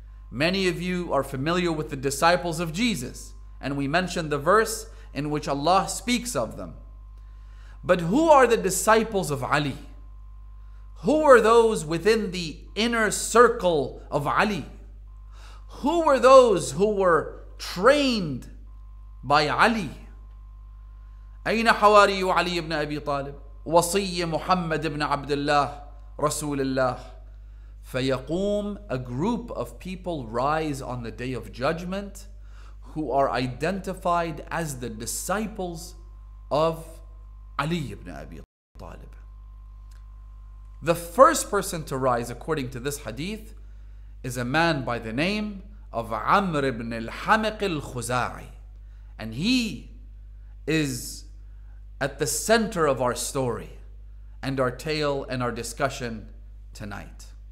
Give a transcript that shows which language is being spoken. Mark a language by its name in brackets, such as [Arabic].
[English] Many of you are familiar with the disciples of Jesus, and we mentioned the verse in which Allah speaks of them. But who are the disciples of Ali? Who are those within the inner circle of Ali? Who were those who were trained by Ali? [Arabic] Ayna hawariyu Ali ibn Abi Talib? وصي محمد بن عبد الله رسول الله فيقوم. [English] A group of people rise on the Day of Judgment who are identified as the disciples of Ali ibn Abi Talib. The first person to rise, according to this hadith, is a man by the name of Amr ibn al Hameq al-Khoza’ei, and he is at the center of our story and our tale and our discussion tonight.